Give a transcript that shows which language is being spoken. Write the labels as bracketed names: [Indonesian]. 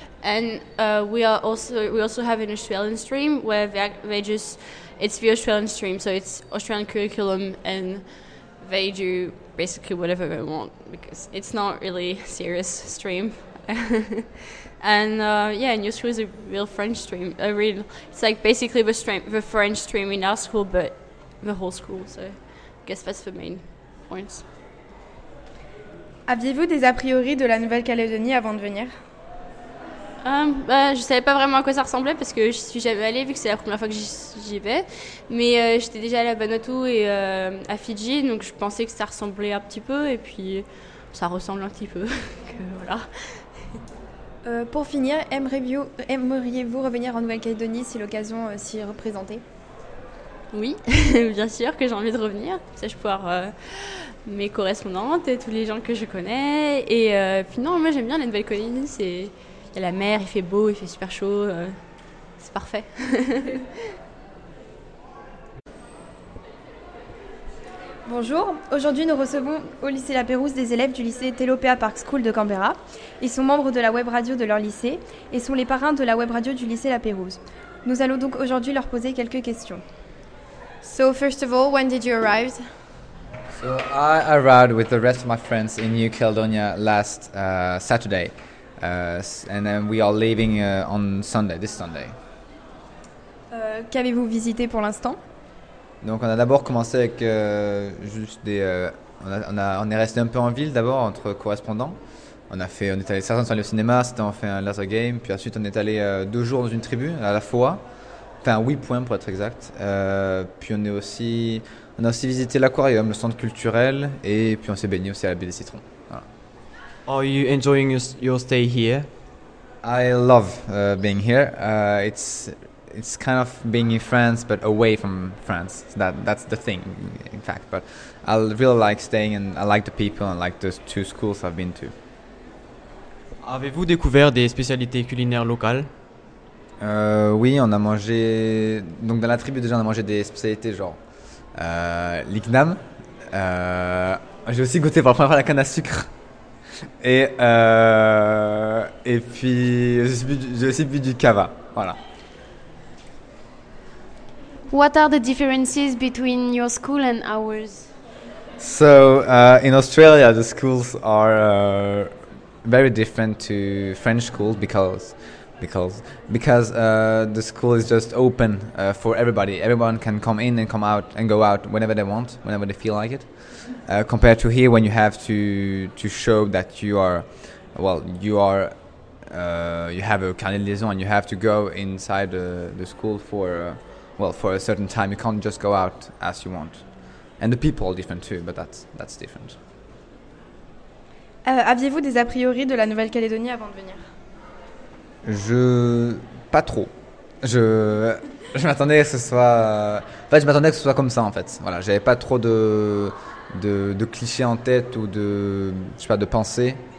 [English] And we also have an Australian stream where they just, it's the Australian stream, so it's Australian curriculum, and they do basically whatever they want because it's not really a serious stream. And yeah, New School is a real French stream. A real, it's like basically the French stream in our school, but the whole school. So I guess that's the main points. [French] Aviez-vous des a priori de la Nouvelle-Calédonie avant de venir? Je savais pas vraiment à quoi ça ressemblait parce que je suis jamais allée vu que c'est la première fois que j'y vais. Mais j'étais déjà allée à Vanuatu et à Fidji, donc je pensais que ça ressemblait un petit peu et puis ça ressemble un petit peu. Que, voilà. Pour finir, aimeriez-vous revenir en Nouvelle-Calédonie si l'occasion s'y est représentée? Oui, bien sûr que j'ai envie de revenir. Ça, je pourrais mes correspondantes et tous les gens que je connais. Et puis non, moi j'aime bien la Nouvelle-Calédonie, c'est... Il y a la mer, il fait beau, il fait super chaud, c'est parfait. Bonjour, aujourd'hui nous recevons au lycée La Pérouse des élèves du lycée Telopea Park School de Canberra. Ils sont membres de la web radio de leur lycée et sont les parrains de la web radio du lycée La Pérouse. Nous allons donc aujourd'hui leur poser quelques questions. [English] So first of all, when did you arrive? So I arrived with the rest of my friends in New Caledonia last Saturday. And then we are leaving on Sunday, this Sunday. [French] Qu'avez-vous visité pour l'instant? Donc on a d'abord commencé avec juste des... on est resté un peu en ville d'abord entre correspondants. On est allé, certains sont allés au cinéma, certains ont fait un laser game. Puis ensuite on est allé 2 jours dans une tribu à la fois. Enfin 8 points pour être exact. Puis on a aussi visité l'aquarium, le centre culturel. Et puis on s'est baigné aussi à la baie des Citrons. [English] Are you enjoying your stay here? I love being here. It's kind of being in France, but away from France. So that's the thing, in fact. But I really like staying, and I like the people, and like the 2 schools I've been to. [French] Avez-vous découvert des spécialités culinaires locales? Oui, on a mangé. Donc dans la tribu déjà, on a mangé des spécialités genre l'ignam. J'ai aussi goûté pour la première fois la canne à sucre. Et puis j'ai aussi bu du cava, voilà. [English] What are the differences between your school and ours? So in Australia, the schools are very different to French schools because the school is just open for everybody. Everyone can come in and come out and go out whenever they want, whenever they feel like it. Compared to here, when you have to show that you are, well, you are, you have a carnet de liaison and you have to go inside the school for a certain time. You can't just go out as you want. And the people are different too, but that's different. [French] Aviez-vous des a priori de la Nouvelle-Calédonie avant de venir? Pas trop. Je m'attendais que ce soit... En fait, je m'attendais que ce soit comme ça, en fait. Voilà, j'avais pas trop de clichés en tête ou de, je sais pas, de pensées.